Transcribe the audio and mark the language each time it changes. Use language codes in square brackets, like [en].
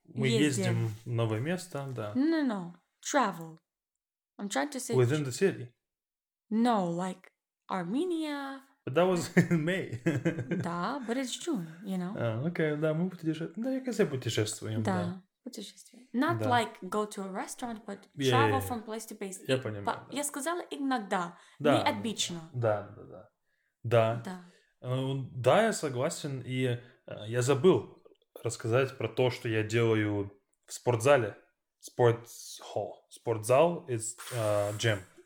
[ru] Мы ездим в новое место, да. [en] No. Travel. I'm trying to say... Within the city. No, like Armenia. But that was in May. Да, but it's June, you know. [ru] Okay, да, мы путешествуем. Да, я как-то путешествуем, да. Путешествие. [en] Not like go to a restaurant, but travel from place to place. [ru] Я понимаю. [en] But [ru] я сказала иногда, да, не обычно. Да, да, да. Да. Да. Да, я согласен. И я забыл рассказать про то, что я делаю в спортзале. Спортхолл. Спортзал [en] is gym.